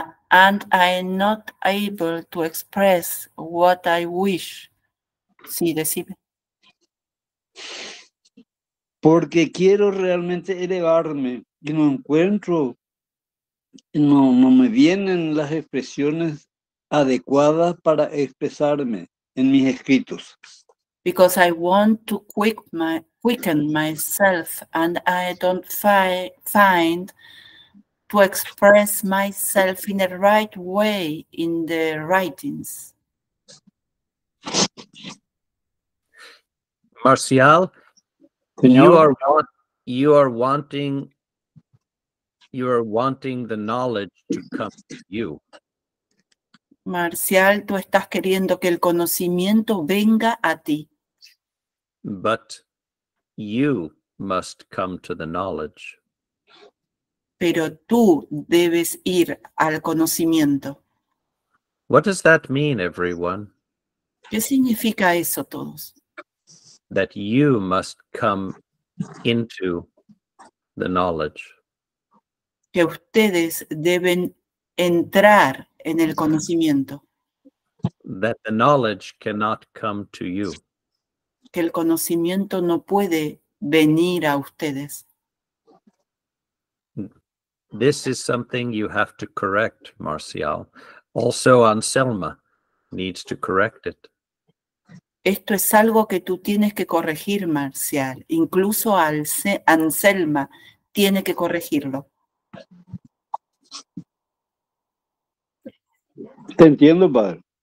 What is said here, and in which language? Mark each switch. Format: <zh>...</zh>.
<en>and I am not able to express what I wish.</en> <es>Sí, decime. Porque quiero realmente elevarme y no encuentro, no me vienen las expresiones adecuadas para expresarme en mis escritos.</es> <en>Because I want to quicken myself and I don't find to express myself in the right way in the writings. Marcial, you are wanting the knowledge to come to you.</en> <es>Marcial, tú estás queriendo que el conocimiento venga a ti.</es> <en>But you must come to the knowledge.</en> <es>Pero tú debes ir al conocimiento.</es> <en>What does that mean, everyone?</en> <es>¿Qué significa eso, todos?</es> <en>That you must come into the knowledge.</en> <es>Que ustedes deben entrar en el conocimiento.</es> <en>That the knowledge cannot come to you.</en> <es>Que el conocimiento no puede venir a ustedes.</es> <en>This is something you have to correct, Marcial. Also, Anselma needs to correct it.</en> <es>Esto es algo que tú tienes que corregir, Marcial. Incluso Anselma tiene que corregirlo. Te entiendo, padre.</es>